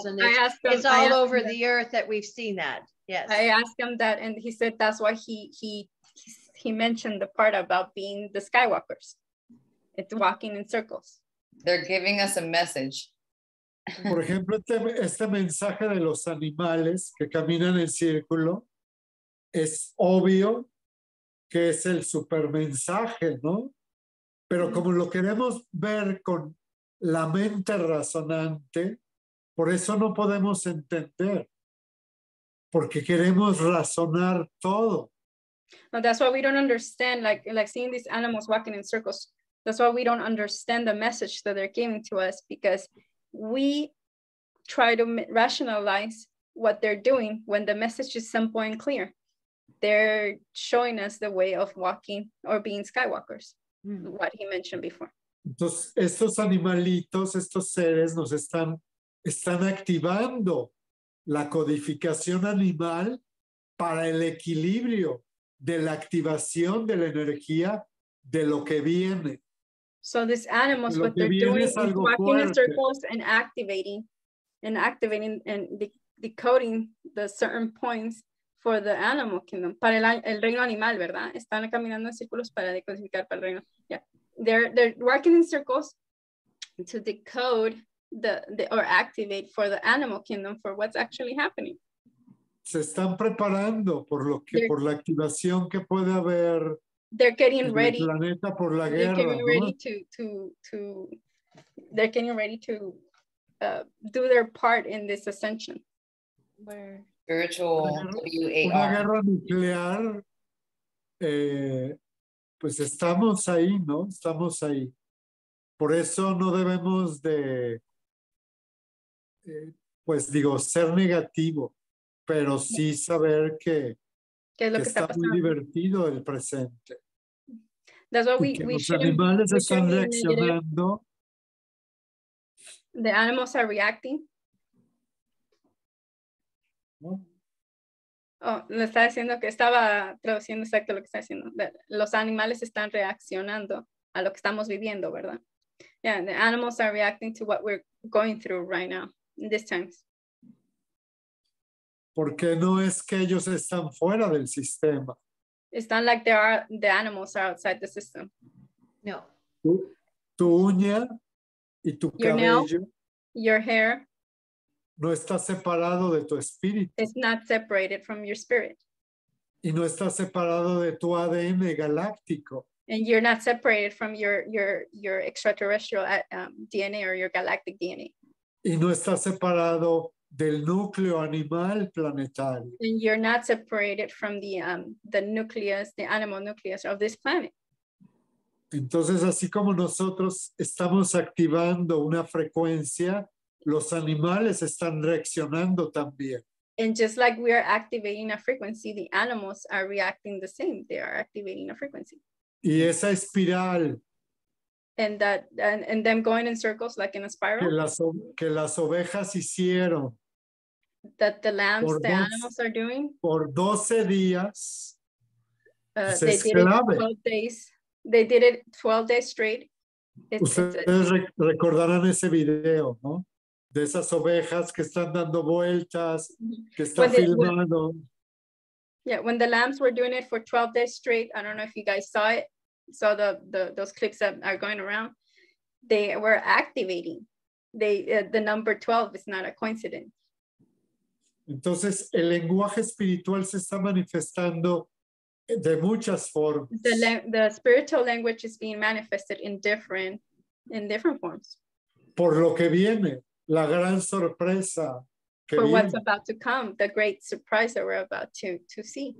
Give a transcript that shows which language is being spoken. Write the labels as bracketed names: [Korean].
[English] and it's all over the earth that we've seen that. Yes, I asked him that, and he said that's why he he mentioned the part about being the skywalkers. It's walking in circles. They're giving us a message. [Spanish] Por ejemplo, este mensaje de los animales que caminan en círculo es obvio que es el supermensaje, ¿no? Pero como lo queremos ver con la mente razonante, por eso no podemos entender. Porque queremos razonar todo. [English] No, that's why we don't understand, like seeing these animals walking in circles. That's why we don't understand the message that they're giving to us, because we try to rationalize what they're doing when the message is simple and clear. They're showing us the way of walking or being skywalkers, what he mentioned before. [Spanish] Entonces, estos animalitos, estos seres, nos están activando la codificación animal para el equilibrio de la activación de la energía de lo que viene. [English] So these animals, what they're doing is walking in circles and activating and decoding the certain points for the animal kingdom. [Spanish] Para el reino animal, ¿verdad? Están caminando en círculos para decodificar para el reino. [English] Yeah. They're walking in circles to decode or activate for the animal kingdom for what's actually happening. [Spanish] Se están preparando por la activación que puede haber. [English] They're getting ready. [Spanish] Planeta por la guerra, [English] they're getting ready to they're getting ready to do their part in this ascension. Spiritual [Spanish] war. Una guerra nuclear. Pues estamos ahí, ¿no? Estamos ahí. Por eso no debemos de, pues digo, ser negativo, pero sí saber que está muy divertido el presente. [English] That's why [Spanish] los animales están reaccionando. [English] The animals are reacting. [Spanish] No. Oh, le está diciendo que estaba traduciendo exacto lo que está diciendo. Los animales están reaccionando a lo que estamos viviendo, ¿verdad? [English] Yeah, the animals are reacting to what we're going through right now, in these times. [Spanish] Porque no es que ellos están fuera del sistema. [English] It's not like the animals are outside the system. [Spanish] No. Tu uña y tu [English] your [Spanish] cabello. [English] Nail, your hair. [Spanish] No está separado de tu espíritu. [English] It's not separated from your spirit. [Spanish] Y no está separado de tu ADN galáctico. [English] And you're not separated from your extraterrestrial DNA or your galactic DNA. [Spanish] Y no está separado del núcleo animal planetario. [English] And you're not separated from the nucleus, the animal nucleus of this planet. [Spanish] Entonces, así como nosotros estamos activando una frecuencia, los animales están reaccionando también. [English] And just like we are activating a frequency, the animals are reacting the same. They are activating a frequency. [Spanish] Y esa espiral. [English] And them going in circles, like in a spiral. [Spanish] Que las ovejas hicieron. [English] That the lambs, the animals are doing. [Spanish] Por 12 días. [English] They did it 12 days straight. [Spanish] Recordarán ese video, ¿no? De esas ovejas que están dando vueltas, que están filmando. [English] When the lambs were doing it for 12 days straight, I don't know if you guys saw it. So those clips that are going around, they were activating. The number 12 is not a coincidence. [Spanish] Entonces, el lenguaje espiritual se está manifestando de muchas formas. [English] The spiritual language is being manifested in different forms. [Spanish] Por lo que viene, la gran sorpresa que [English] for [Spanish] viene. [English] What's about to come, the great surprise that we're about to see.